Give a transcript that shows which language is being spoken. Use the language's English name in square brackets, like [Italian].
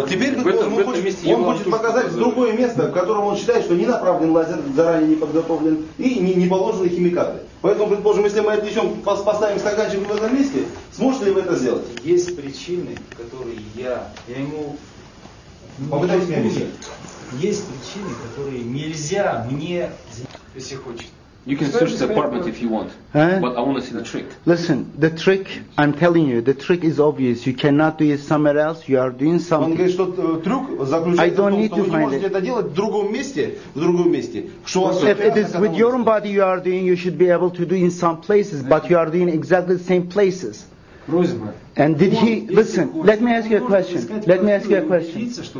[Russian] Вот теперь он хочет показать другое место, в котором он считает, что не направлен лазер, заранее не подготовлен, и не положены химикаты. Поэтому, предположим, если мы отвлечем, поставим стаканчик в этом месте, сможете ли вы это сделать? Есть причины, которые я ему... Попытаюсь мне объяснить. Есть причины, которые нельзя мне... Если хочет. [English] You can search the apartment if you want, but I want to see the trick. Listen, the trick, I'm telling you, the trick is obvious. You cannot do it somewhere else, you are doing something. [Russian] Он говорит, что трюк заключается в том, что вы можете это делать в другом месте. Что [English] if it is with your own body you are doing, you should be able to do in some places, but you are doing exactly the same places. And did he listen? Let me ask you a question. Let me ask you a question.